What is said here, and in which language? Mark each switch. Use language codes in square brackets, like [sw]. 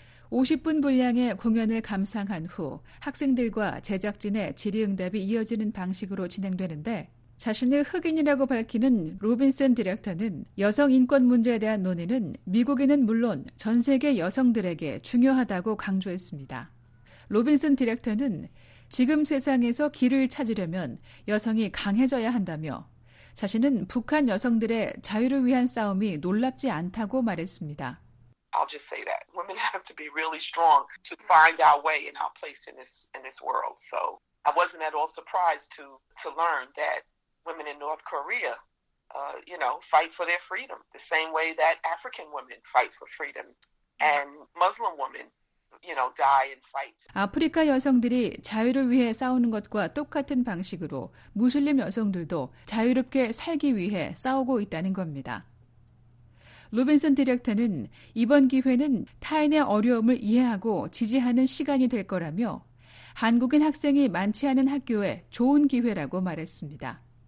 [ko] 50분 분량의 공연을 감상한 후 학생들과 제작진의 질의응답이 이어지는 방식으로 진행되는데 자신을 흑인이라고 밝히는 로빈슨 디렉터는 여성 인권 문제에 대한 논의는 미국인은 물론 전 세계 여성들에게 중요하다고 강조했습니다. 로빈슨 디렉터는 지금 세상에서 길을 찾으려면 여성이 강해져야 한다며 자신은 북한 여성들의 자유를 위한 싸움이 놀랍지 않다고 말했습니다. [en] I'll just say that women have to be really strong to find our way and our place in this world. So I wasn't at all surprised to learn that women in North Korea, you know, fight for their freedom the same way that African women fight for freedom and Muslim women. Die and fight. [ko] 아프리카 여성들이 자유를 위해 싸우는 것과 똑같은 방식으로 무슬림 여성들도 자유롭게 살기 위해 싸우고 있다는 겁니다. 로빈슨 디렉터는 이번 기회는 타인의 어려움을 이해하고 지지하는 시간이 될 거라며 한국인 학생이 많지 않은 학교에 좋은 기회라고 말했습니다.